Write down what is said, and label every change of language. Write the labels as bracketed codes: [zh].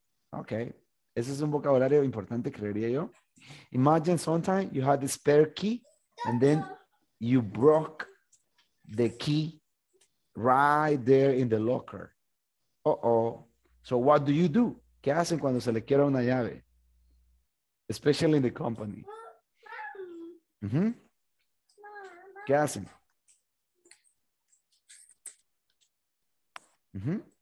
[es] Ok, ese es un vocabulario importante, creería yo. [en] Imagine sometime you had the spare key and then you broke the key right there in the locker. Uh-oh. So what do you do? [es] ¿Qué hacen cuando se le quiebra una llave? [en] Especially in the company. Mm-hmm. [es] ¿Qué hacen? Mm-hmm.